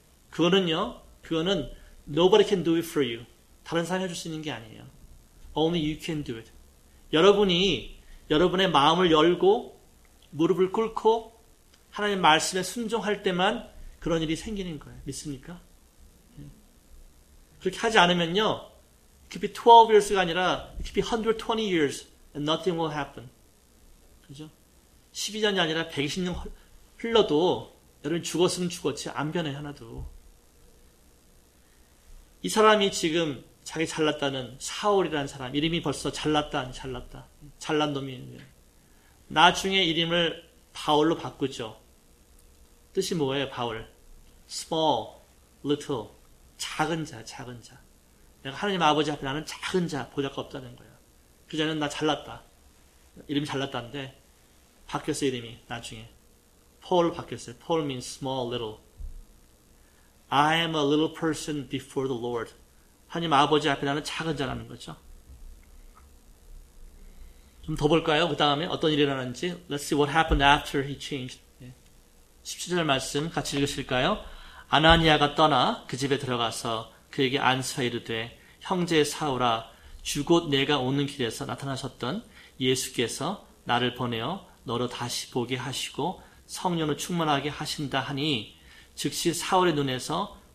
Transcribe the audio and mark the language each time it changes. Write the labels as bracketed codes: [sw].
[ko] 그거는요. 그거는 [en] Nobody can do it for you. [ko] 다른 사람이 해줄 수 있는 게 아니에요. [en] Only you can do it. [ko] 여러분이 여러분의 마음을 열고 무릎을 꿇고 하나님 말씀에 순종할 때만 그런 일이 생기는 거예요. 믿습니까? 그렇게 하지 않으면요. [en] It could be 12 years가 [ko] 아니라 [en] It could be 120 years and nothing will happen. [ko] 그죠? 12년이 아니라 120년 흘러도 여러분 죽었으면 죽었지 안 변해 하나도. 이 사람이 지금 자기 잘났다는 사울이라는 사람 이름이 벌써 잘났다 아니 잘났다. 잘난 놈이에요. 나중에 이름을 바울로 바꾸죠. 뜻이 뭐예요, 바울? [en] Small, little, [ko] 작은 자, 작은 자. 내가 하나님 아버지 앞에 나는 작은 자, 보잘것없다는 거예요. 그전에는 나 잘났다. 이름이 잘났다는데 바뀌었어요, 이름이 나중에. [en] Paul [ko] 바뀌었어요. [en] Paul means small, little. I am a little person before the Lord. [ko] 하나님 아버지 앞에 나는 작은 자라는 거죠. 좀 더 볼까요? 그 다음에 어떤 일이 일어났는지. [en] Let's see what happened after he changed. [ko] 17절 말씀 같이 읽으실까요? 아나니아가 떠나 그 집에 들어가서 그에게 안수하 이르되 형제 사울아 주 곧 내가 오는 길에서 나타나셨던 예수께서 나를 보내어 너로 다시 보게 하시고 성령을 충만하게 하신다 하니 즉시 사울의 눈에서